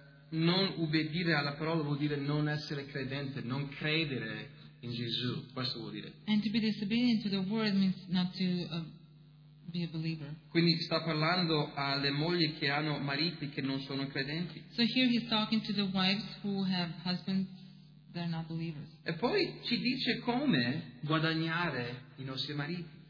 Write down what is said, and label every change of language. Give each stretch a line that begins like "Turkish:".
Italian: Non ubbidire alla parola vuol dire non essere credente, non credere in Gesù. Questo vuol dire.
English: And to be disobedient to the word means not to be a believer.
Italian: Quindi sta parlando alle mogli che hanno mariti che non sono credenti.
English: So here he's talking to the wives who have husbands that are not believers.
Italian: E poi ci dice come guadagnare i nostri mariti.